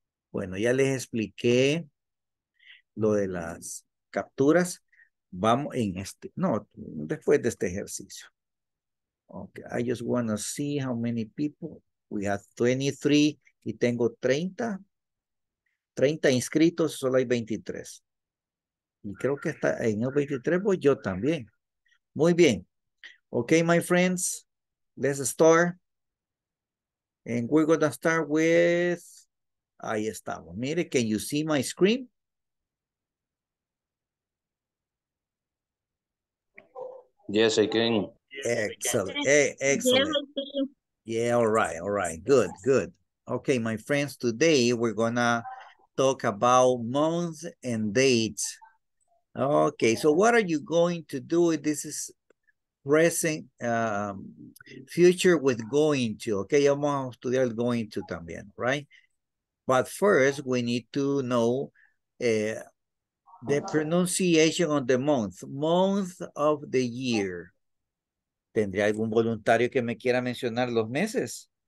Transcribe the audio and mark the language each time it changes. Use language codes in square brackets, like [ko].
[es] Bueno, ya les expliqué lo de las capturas. Vamos en este, no, después de este ejercicio. [en] Okay, I just want to see how many people. We have 23 [es] y tengo 30. 30 inscritos, solo hay 23. Y creo que está en el 23, voy yo también. Muy bien. [en] Okay, my friends, let's start. And we're going to start with. [es] Ahí estamos. [en] Mire, can you see my screen? Yes, I can. Excellent. Hey, excellent. Yeah, all right, good, good. Okay, my friends, today we're gonna talk about months and dates. Okay, so what are you going to do? This is present, future with going to. [es] Okay, vamos a estudiar going to también, right? [en] But first, we need to know the pronunciation of the month of the year. [es] ¿Tendría algún voluntario que me quiera mencionar los meses?